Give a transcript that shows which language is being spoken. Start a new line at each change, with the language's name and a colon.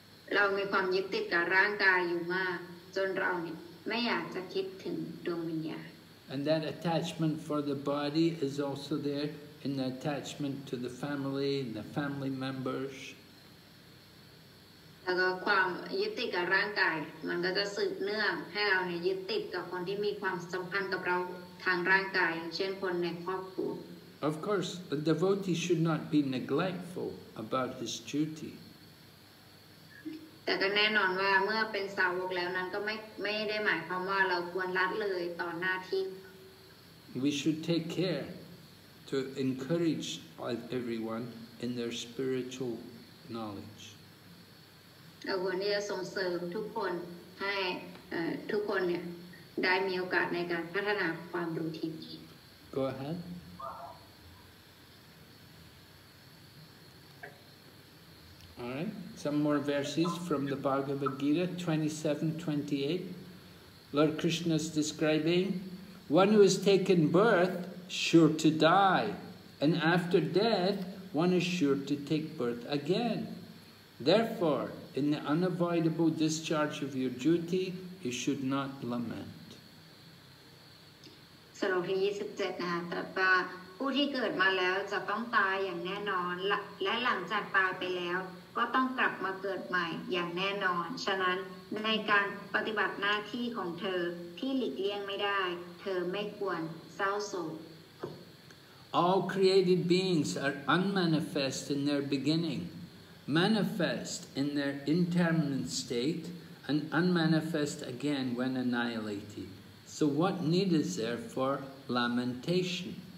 English: And that attachment for the body is also there in the attachment to the family and the family members.
Thai: แล้วก็ความยึดติดกับร่างกายมันก็จะสืบเนื่องให้เราเนี่ยยึดติดกับคนที่มีความสัมพันธ์กับเราทางร่างกายเช่นคนในครอบครัว
English: Of course a devotee should not be neglectful about his duty
Thai: แต่ก็แน่นอนว่าเมื่อเป็นสาวกแล้วนั้นก็ไม่ได้หมายความว่าเราควรละเลยต่อหน้าที่
English: We should take care to encourage everyone in their spiritual knowledge.
Thai: เราควรที่จะส่งเสริมทุกคนให้ทุกคนเนี่ยได้มีโอกาสในการพัฒนาความรู้ที่นี้
English: Go ahead All right some more verses from the Bhagavad Gita 27:28 Lord Krishna is describing one who has taken birth sure to die and after death one is sure to take birth again thereforeIn the unavoidable discharge of your duty, you should not lament.
Thai: สรุปที่27นะคะแต่ว่าผู้ที่เกิดมาแล้วจะต้องตายอย่างแน่นอนและหลังจากตายไปแล้วก็ต้องกลับมาเกิดใหม่อย่างแน่นอนฉะนั้นในการปฏิบัติหน้าที่ของเธอที่หลีกเลี่ยงไม่ได้เธอไม่ควรเศร้าโศก
English: All created beings are unmanifest in their beginning. Manifest in their impermanent state and unmanifest again when annihilated. So what need is there for lamentation?